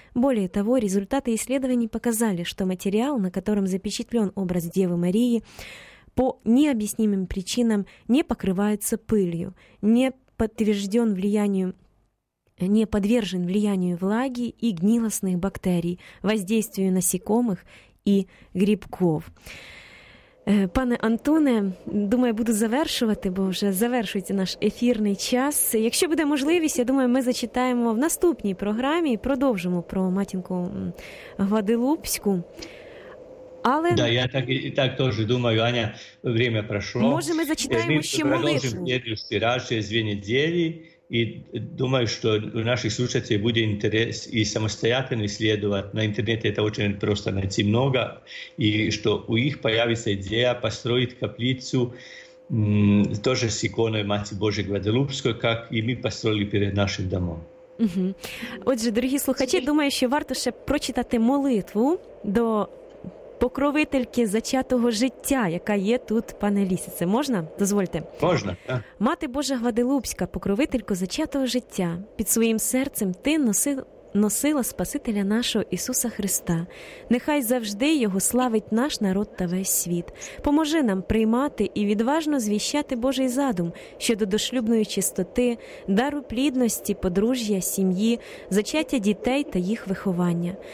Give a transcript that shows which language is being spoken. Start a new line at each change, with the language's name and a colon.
Russian: Более того, результаты исследований показали, что материал, на котором запечатлен образ Девы Марии, по необъяснимым причинам не покрывается пылью, не подтвержден влиянием, не подвержен влиянию влаги и гнилостных бактерий, воздействию насекомых и грибков.
Ukrainian: Пане Антоне, думаю, буду завершувати, бо вже завершується наш ефірний час. Якщо буде можливість, я думаю, ми зачитаємо в наступній програмі і продовжимо про матінку Гваделупську. Але... Да, я так теж думаю, Аня,
Russian: время
Ukrainian: пройшло. Може, ми зачитаємо ще молитву. Ми продовжимо перший раз через дві неділі.
Russian: И думаю, что у наших слушателей будет интерес и самостоятельно исследовать. На интернете это очень просто найти много. И что у них появится идея построить каплицу тоже с иконой Матери Божией Гваделупской, как и мы построили перед нашим домом. Угу.
Ukrainian: Отже, дорогие слухачи, думаю, что варто еще прочитать молитву до покровительки зачатого життя, яка є тут, пане Лісице. Можна? Дозвольте. Можна, так. Мати Божа Гваделупська, покровителько зачатого життя, під своїм серцем ти носила Спасителя нашого Ісуса Христа. Нехай завжди Його славить наш народ та весь світ. Поможи нам приймати і відважно звіщати Божий задум щодо дошлюбної чистоти, дару плідності, подружжя, сім'ї, зачаття дітей та їх виховання.